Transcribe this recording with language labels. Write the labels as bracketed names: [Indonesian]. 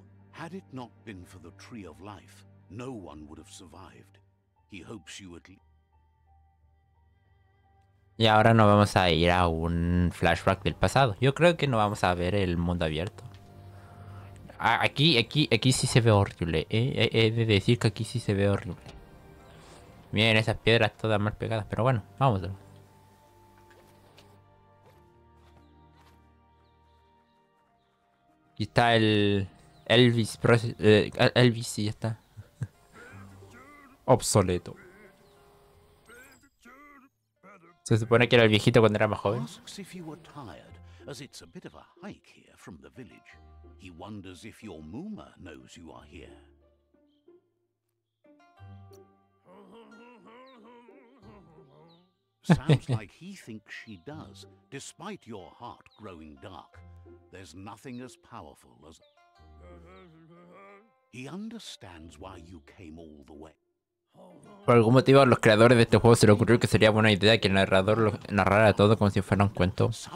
[English] Had it not been for the Tree of Life, no one would have survived. He hopes you at least... [Spanish] Y ahora no vamos a ir a un flashback del pasado. Yo creo que no vamos a ver el mundo abierto. Aquí sí se ve horrible. He de decir que aquí sí se ve horrible. Miren esas piedras todas mal pegadas, pero bueno, vamos. Aquí está el Elvis, Elvis, y ya está. Obsoleto. Se supone que era el viejito cuando era más joven. [English] If you were tired, as it's a bit of a hike here from the village. He wonders if your Mooma knows you are here. Sounds like he thinks she does, despite your heart growing dark. There's nothing as powerful as... He understands why you came all the way. [Spanish] Por algún motivo a los creadores de este juego se le ocurrió que sería buena idea que el narrador lo narrara todo como si fuera un cuento.